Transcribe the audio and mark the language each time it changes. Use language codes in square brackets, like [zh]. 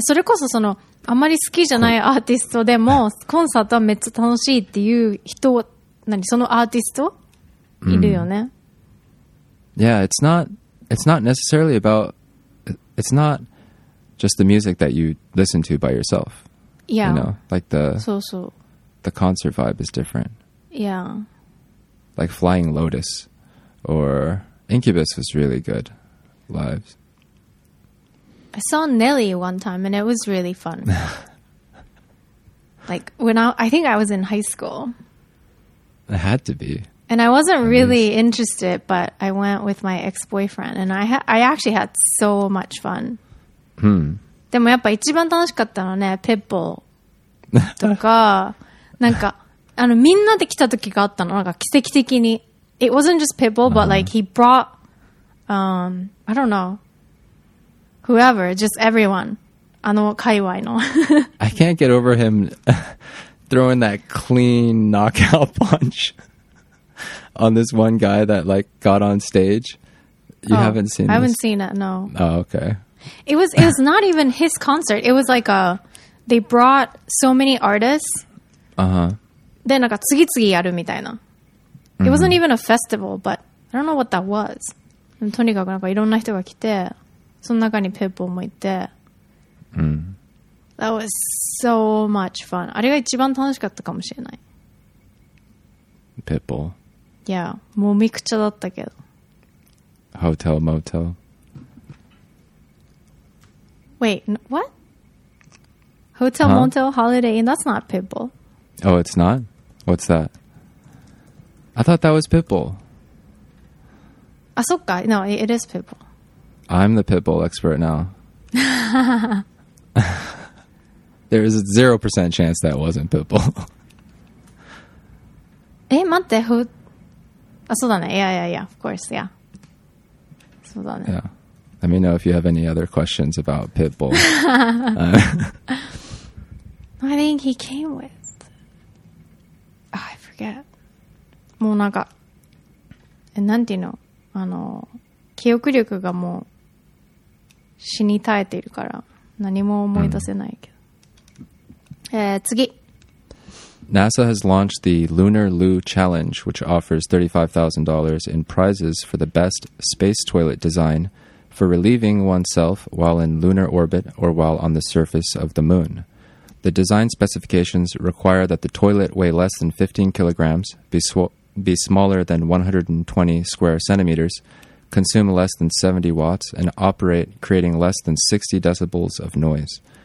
[ja] それこそそのあまり好きじゃないアーティストでもコンサートはめっちゃ楽しいっていう人は何そのアーティストいるよね。 [en] Yeah, it's not necessarily about it's not just the music that you listen to by yourself. Yeah, you know, like the [ja] そうそう [en] the concert vibe is different. Yeah, like Flying Lotus or Incubus was really good live. I saw Nelly one time and it was really fun. Like when I think I was in high school. It had to be. And I wasn't really interested, but I went with my ex-boyfriend and I actually had so much fun. Hmm. [ja] でもやっぱ一番楽しかったのね、Pitbull とか、なんか、あのみんなで来た時があったの、なんか奇跡的に。 [en] It wasn't just Pitbull, but like he brought, I don't know. Whoever, just everyone. [ja] あの界隈の。 [en] I can't get over him throwing that clean knockout punch on this one guy that like got on stage. You haven't seen this? I haven't seen it, no. Oh, okay. It was not even his concert. It was like they brought so many artists. Uh-huh. [ja] でなんか次々やるみたいな。 [en] It wasn't even a festival, but I don't know what that was. [ja] とにかくなんかいろんな人が来て。その中にペッポーもいて、 [en] That was so much fun. [ja] あれが一番楽しかったかもしれない。ペッポー。いや、もみくちゃだったけど。 [en] Hotel Motel. Wait, what? Hotel Motel Holiday Inn. That's not ペッポー。 Oh, it's not. What's that? I thought that was ペッポー。 [ja] あ、そっか。 [en] No, it is ペッポー。 I'm the Pitbull expert now. There is a 0% chance that wasn't Pitbull. [ja] え、待って、ほ、あ、そうだね。 [en] Yeah, yeah, yeah. Of course, yeah. [ja] そうだね。 [en] Yeah. Let me know if you have any other questions about Pitbull. I think he came with... Oh, I forget. [ja] もうなんか、え、なんていうの?あの、記憶力がもう死に耐えているから何も思い出せないけど。次。 [en] NASA has launched the Lunar Loo Challenge, which offers $35,000 in prizes for the best space toilet design for relieving oneself while in lunar orbit or while on the surface of the moon. The design specifications require that the toilet weigh less than 15 kilograms, be smaller than 120 square centimeters, consume less than 70 watts, and operate creating less than 60 decibels of noise.